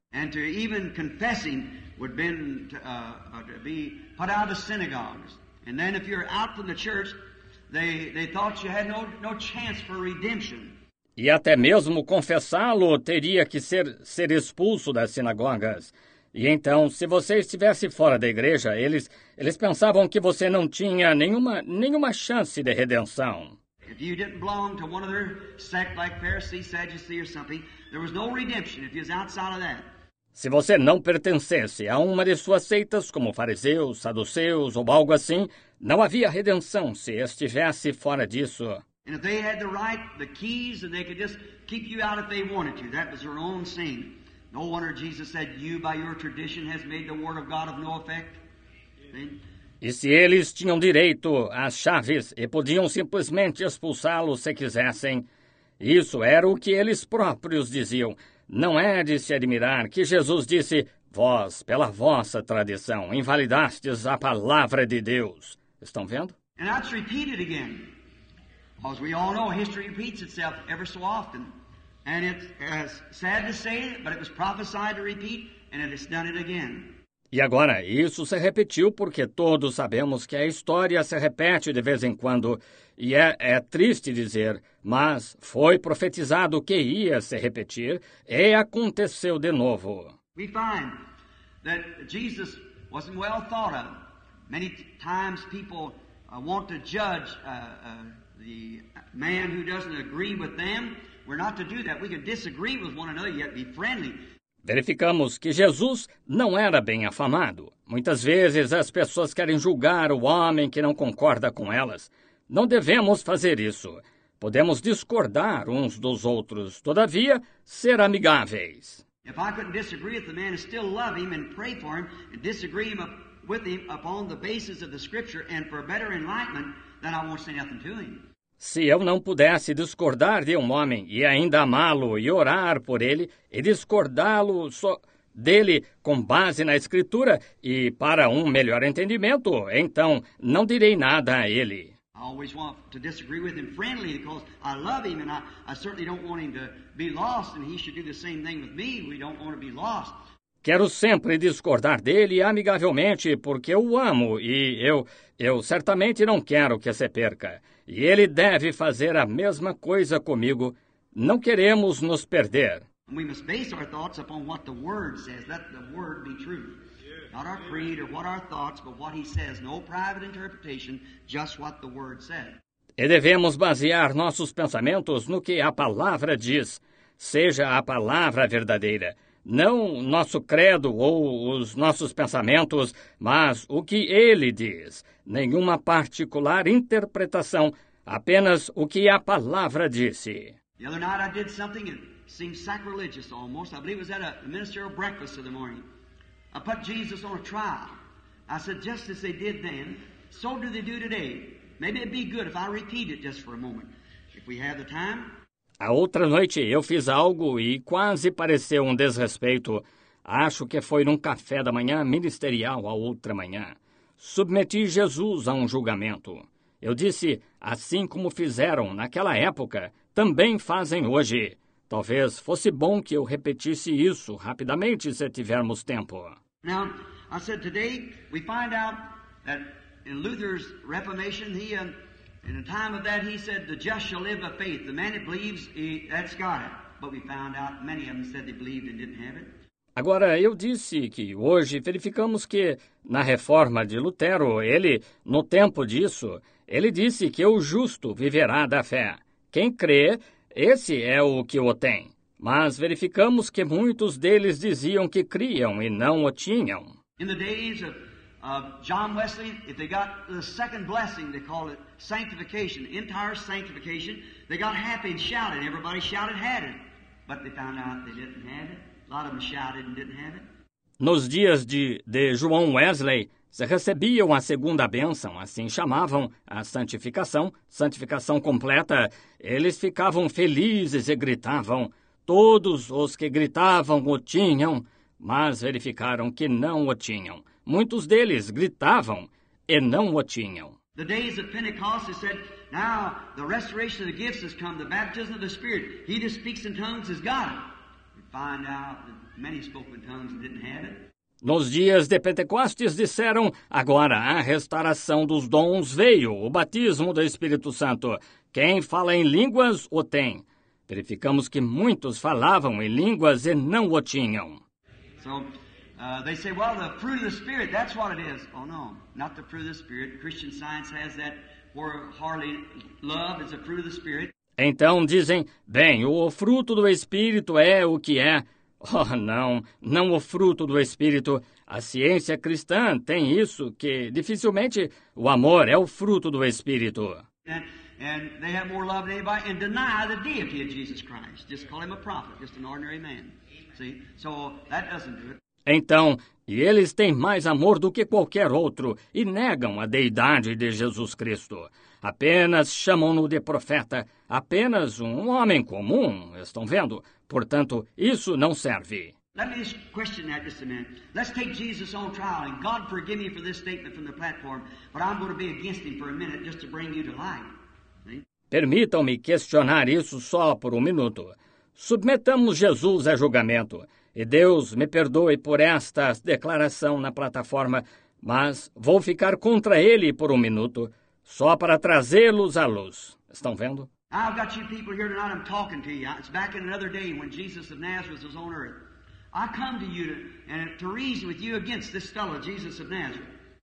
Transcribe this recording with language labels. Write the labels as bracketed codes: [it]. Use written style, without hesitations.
[en] And to even confessing would been to be put out of synagogues. And then if you're out from the church, they thought you had no chance for redemption. [pt] E até mesmo confessá-lo teria que ser expulso das sinagogas. E então, se você estivesse fora da igreja, eles pensavam que você não tinha nenhuma chance de redenção. [en] If you didn't belong to one of their sect, like Pharisee, Sadducee or something, there was no redemption if you was outside of that. [pt] Se você não pertencesse a uma de suas seitas, como fariseus, saduceus ou algo assim, não havia redenção se estivesse fora disso. [en] And if they had the right, the keys, and they could just keep you out if they wanted to, that was their own sin. No wonder Jesus said, "You by your tradition has made the word of God of no effect." [pt] E se eles tinham direito às chaves e podiam simplesmente expulsá-los se quisessem, isso era o que eles próprios diziam. Não é de se admirar que Jesus disse: "Vós, pela vossa tradição, invalidastes a palavra de Deus." Estão vendo? [en] And that's repeated again. Because we all know history repeats itself ever so often. And it's sad to say it, but it was prophesied to repeat, and it has done it again. [pt] E agora, isso se repetiu porque todos sabemos que a história se repete de vez em quando. E é triste dizer, mas foi profetizado que ia se repetir e aconteceu de novo. [en] We find that Jesus wasn't well thought of. Many times people want to judge the man who doesn't agree with them. We're not to do that. We can disagree with one another, yet be friendly. [pt] Verificamos que Jesus não era bem afamado. Muitas vezes as pessoas querem julgar o homem que não concorda com elas. Não devemos fazer isso. Podemos discordar uns dos outros, todavia, ser amigáveis. [en] If I couldn't disagree with the man and still love him and pray for him and disagree with him upon the basis of the scripture and for better enlightenment, then I won't say nothing to him. [pt] Se eu não pudesse discordar de um homem e ainda amá-lo e orar por ele e discordá-lo dele com base na Escritura e para um melhor entendimento, então não direi nada a ele. [en] I always want to disagree with him friendly because I love him and I certainly don't want him to be lost and he should do the same thing with me. We don't want to be lost. [pt] Quero sempre discordar dele amigavelmente porque eu o amo e eu certamente não quero que se perca. E ele deve fazer a mesma coisa comigo. Não queremos nos perder. [en] We must base our thoughts upon what the word says, let the word be truth. Yes. Not our creed or what our thoughts, but what he says. No private interpretation, just what the word says. [pt] E devemos basear nossos pensamentos no que a palavra diz. Seja a palavra verdadeira. Não nosso credo ou os nossos pensamentos, mas o que ele diz. Nenhuma particular interpretação, apenas o que a palavra disse. [en] The other night I did something that seemed sacrilegious almost. I believe it was at a ministerial breakfast in the morning. I put Jesus on a trial. I said, just as they did then, so do they do today. Maybe it'd be good if I repeat it just for a moment. If we have the time. [pt] A outra noite eu fiz algo e quase pareceu um desrespeito. Acho que foi num café da manhã ministerial a outra manhã. Submeti Jesus a um julgamento. Eu disse, assim como fizeram naquela época, também fazem hoje. Talvez fosse bom que eu repetisse isso rapidamente se tivermos tempo. [en] Now, I said today we find out that in Luther's Reformation he in the time of that he said the just shall live by faith. The man that believes he, that's got it. But we found out many of them said they believed and didn't have it. [pt] Agora, eu disse que hoje verificamos que, na reforma de Lutero, ele, no tempo disso, ele disse que o justo viverá da fé. Quem crê, esse é o que o tem. Mas verificamos que muitos deles diziam que criam e não o tinham. [en] In the days of John Wesley, if they got the second blessing, they call it sanctification, entire sanctification, they got happy and shouted. Everybody shouted, had it. But they found out they didn't have it. A lot of them shouted and didn't have it. [pt] Nos dias de João Wesley, se recebiam a segunda bênção, assim chamavam, a santificação, santificação completa, eles ficavam felizes e gritavam. Todos os que gritavam o tinham, mas verificaram que não o tinham. Muitos deles gritavam e não o tinham. [en] The days of Pentecost, it said, now the restoration of the gifts has come, the baptism of the Spirit. He that speaks in tongues has got it. Find out that many spoke in tongues and didn't have it. [pt] Nos dias de Pentecostes disseram, agora a restauração dos dons veio, o batismo do Espírito Santo. Quem fala em línguas o tem. Verificamos que muitos falavam em línguas e não o tinham. [en] So, they say, well, the fruit of the Spirit, that's what it is. Oh, no, not the fruit of the Spirit. Christian science has that, or hardly love is a fruit of the Spirit. [pt] Então dizem, bem, o fruto do Espírito é o que é. Oh, não, não o fruto do Espírito. A ciência cristã tem isso, que dificilmente o amor é o fruto do Espírito. [en] And they have more love than anybody, and deny the deity of Jesus Christ. Just call him a prophet, just an ordinary man. See? So, that doesn't do it. [pt] Então, e eles têm mais amor do que qualquer outro, e negam a deidade de Jesus Cristo. Apenas chamam-no de profeta, apenas um homem comum, estão vendo? Portanto, isso não serve. [en] Let me just question that just a minute. Let's take Jesus on trial, and God forgive me for this statement from the platform, but I'm going to be against him for a minute just to bring you to life. [pt] Permitam-me questionar isso só por um minuto. Submetamos Jesus a julgamento, e Deus me perdoe por esta declaração na plataforma, mas vou ficar contra ele por um minuto, só para trazê-los à luz. Estão vendo? [en] I've got you people here tonight, I'm talking to you. It's back in another day when Jesus of Nazareth was on earth. I come to you to reason with you against this fellow, Jesus of Nazareth.